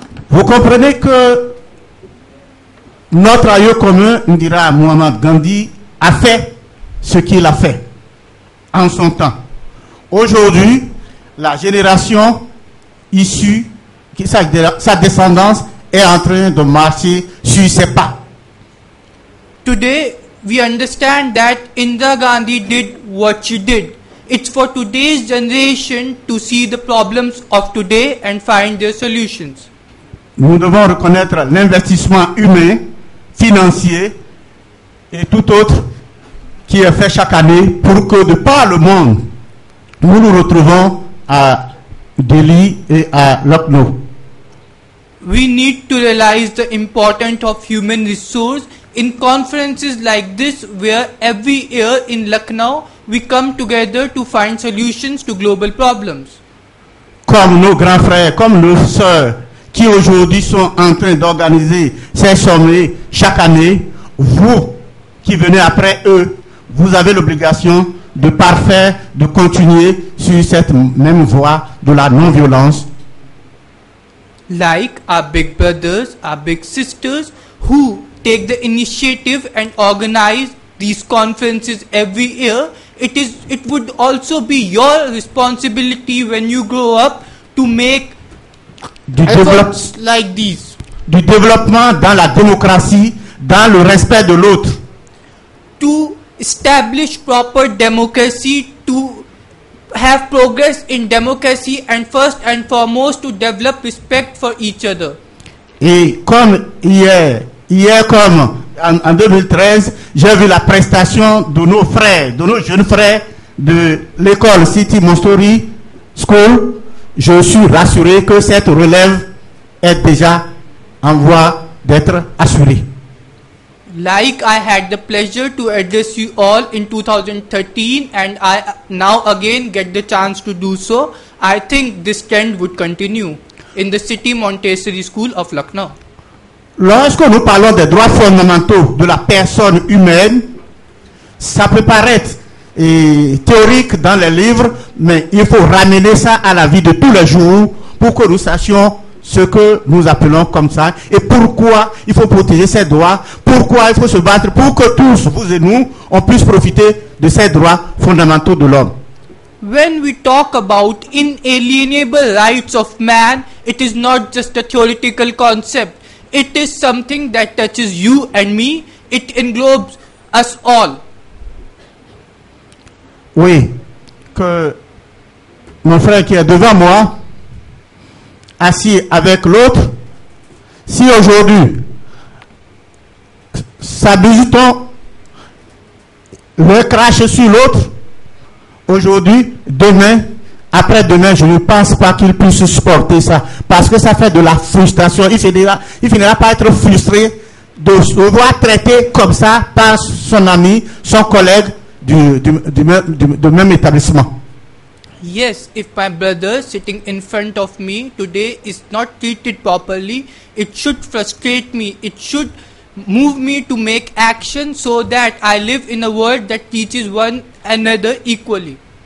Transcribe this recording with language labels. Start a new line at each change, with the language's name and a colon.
French: Vous comprenez que notre aïeul commun, on dira Mohamed Gandhi, a fait ce qu'il a fait en son temps. Aujourd'hui, la génération issue, sa descendance, est en train de marcher sur ses pas.
English: Today, we understand that Indira Gandhi did what she did. It's for today's generation to see the problems of today and find their solutions.
French: Nous devons reconnaître l'investissement humain, financier et tout autre qui est fait chaque année pour que de par le monde, nous nous retrouvons à Delhi et à Lucknow.
English: We need to realize the importance of human resource in conferences like this where every year in Lucknow we come together to find solutions to global problems.
French: Comme nos grands frères, comme nos sœurs qui aujourd'hui sont en train d'organiser ces sommets chaque année, vous qui venez après eux, vous avez l'obligation de parfaire, de continuer sur cette même voie de la non-violence.
English: Like our big brothers, our big sisters who take the initiative and organize these conferences every year, it would also be your responsibility when you grow up to make efforts like these.
French: Du développement dans la démocratie, dans le respect de l'autre.
English: To establish proper democracy, to have progress in democracy, and first and foremost to develop respect for each other.
French: Et comme hier comme en 2013, j'ai vu la prestation de nos frères, de nos jeunes frères de l'école City Montessori School. Je suis rassuré que cette relève est déjà en voie d'être assurée.
English: Like I had the pleasure to address you all in 2013 and I now again get the chance to do so, I think this trend would continue in the City Montessori School of Lucknow.
French: Lorsque nous parlons des droits fondamentaux de la personne humaine, ça peut paraître et théorique dans les livres, mais il faut ramener ça à la vie de tous les jours pour que nous sachions ce que nous appelons comme ça et pourquoi il faut protéger ces droits, pourquoi il faut se battre pour que tous, vous et nous, on puisse profiter de ces droits fondamentaux de l'homme.
English: When we talk about inalienable rights of man, it is not just a theoretical concept. It is something that touches you and me. It englobes us all.
French: Oui, que mon frère qui est devant moi, assis avec l'autre, si aujourd'hui sa bijouton le crache sur l'autre, aujourd'hui, demain, après demain, je ne pense pas qu'il puisse supporter ça, parce que ça fait de la frustration. Il finira par être frustré de se voir traité comme ça par son ami, son collègue. Du même établissement.
English: Yes, if my brother sitting in front of me today is not treated properly, it should frustrate me. It should move me to make action so that I live in a world that teaches one another equally.